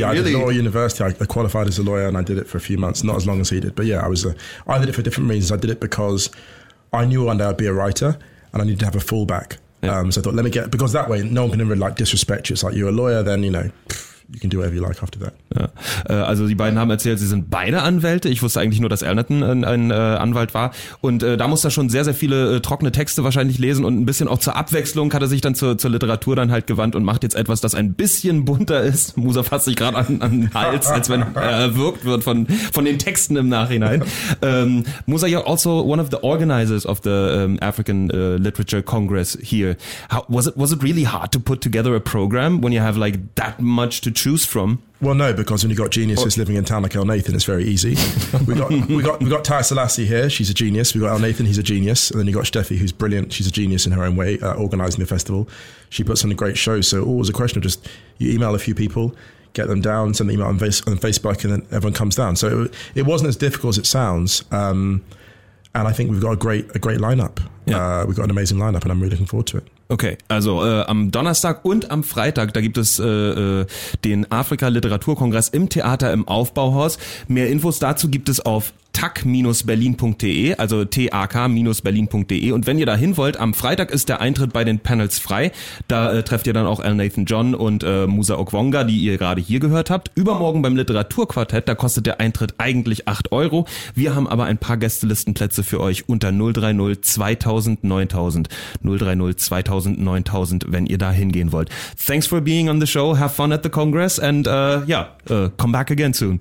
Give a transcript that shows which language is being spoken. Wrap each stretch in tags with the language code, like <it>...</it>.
<en>Yeah, I did law university. I qualified as a lawyer and I did it for a few months, not as long as he did. But yeah, I did it for different reasons. I did it because I knew one day I'd be a writer and I needed to have a fallback. Yeah. So I thought, let me get, because that way no one can ever like disrespect you. It's like, you're a lawyer, then, you know, you can do whatever you like after that.</en> <de>Ja. Also die beiden haben erzählt, sie sind beide Anwälte. Ich wusste eigentlich nur, dass Elnathan ein Anwalt war. Und da muss er schon sehr, sehr viele trockene Texte wahrscheinlich lesen. Und ein bisschen auch zur Abwechslung hat er sich dann zur Literatur dann halt gewandt und macht jetzt etwas, das ein bisschen bunter ist. Musa fasst sich gerade an den Hals, als wenn er erwürgt wird von den Texten im Nachhinein.</de> <en>Musa, you're also one of the organizers of the African Literature Congress here. Was it really hard to put together a program when you have like that much to choose from? Well, no, because when you've got geniuses living in town like Elnathan, it's very easy. We got Taya Selassie here. She's a genius. We've got Elnathan. He's a genius. And then you've got Steffi, who's brilliant. She's a genius in her own way, organizing the festival. She puts on a great show. So always a question of just you email a few people, get them down, send the email on Facebook, and then everyone comes down. So it wasn't as difficult as it sounds. And I think we've got a great lineup. Yeah. We've got an amazing lineup, and I'm really looking forward to it.</en> <de>Okay, also am Donnerstag und am Freitag, da gibt es den Afrika-Literaturkongress im Theater im Aufbauhaus. Mehr Infos dazu gibt es auf tak-berlin.de, also tak-berlin.de. Und wenn ihr da hin wollt, am Freitag ist der Eintritt bei den Panels frei. Da trefft ihr dann auch Elnathan John und Musa Okwonga, die ihr gerade hier gehört habt. Übermorgen beim Literaturquartett, da kostet der Eintritt eigentlich 8 Euro. Wir haben aber ein paar Gästelistenplätze für euch unter 030 2000 9000. 030 2000 9000, wenn ihr da hingehen wollt.</de> <en>Thanks for being on the show. Have fun at the Congress. And come back again soon.</en>